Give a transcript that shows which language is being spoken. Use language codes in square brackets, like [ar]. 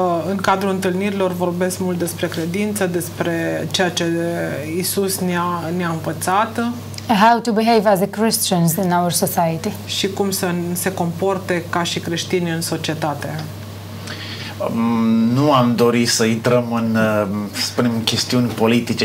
[ro] În cadrul întâlnirilor vorbesc mult despre credință, despre ceea ce Iisus ne-a învățat. [en] How to behave as a Christians in our society. [ro] Și cum să se comporte ca și creștini în societate. Nu am dorit să intrăm în, spunem, chestiuni politice.